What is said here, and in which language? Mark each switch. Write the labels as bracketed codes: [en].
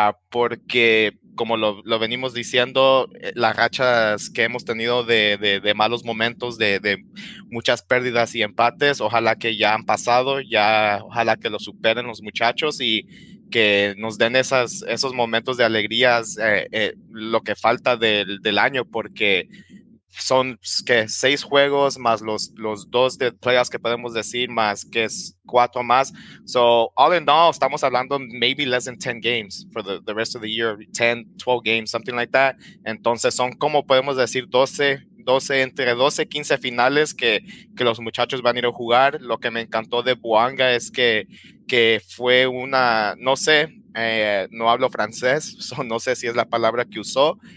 [es] porque como lo venimos diciendo, las rachas que hemos tenido de malos momentos, de muchas pérdidas y empates, ojalá que ya han pasado, ya ojalá que lo superen los muchachos y que nos den esos momentos de alegrías, lo que falta del año, porque son que 6 juegos más los 2 de playoffs que podemos decir, más que es 4 más. [en] So, all in all, [es] estamos hablando [en] maybe less than 10 games for the rest of the year, 10, 12 games, something like that. [es] Entonces, son como podemos decir 12, entre 12, 15 finales que los muchachos van a ir a jugar. Lo que me encantó de Boanga es que fue una, no sé, no hablo francés, so no sé si es la palabra que usó.